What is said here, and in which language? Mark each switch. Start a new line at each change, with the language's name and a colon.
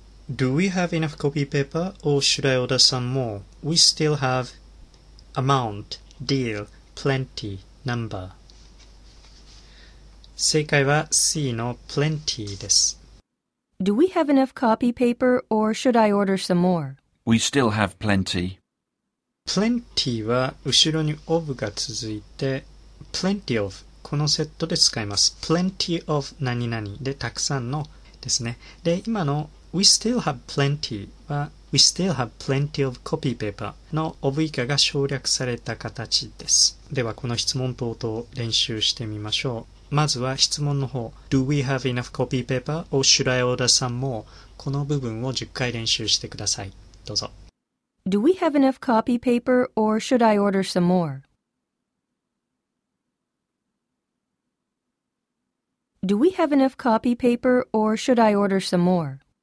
English: Do we have enough copy paper or should I order some more? We still have amount, deal, plenty, number.
Japanese: 正解は C の plenty です。
English: Do we have enough copy paper or should I order some more? We still have plenty.
Japanese: Plenty は後ろに of が続いて plenty of。このセットで使います。Plenty of 何々でたくさんのですね。で、今の
English: We still have plenty
Japanese: は
English: We still have plenty of copy paper
Japanese: の of 以下が省略された形です。では、この質問法と練習してみましょう。まずは質問の方
English: Do we have enough copy paper or should I order some more?
Japanese: この部分を10回練習してください。どうぞ。
English: Do we have enough copy paper or should I order some more? Do we have enough copy paper or should I order some more?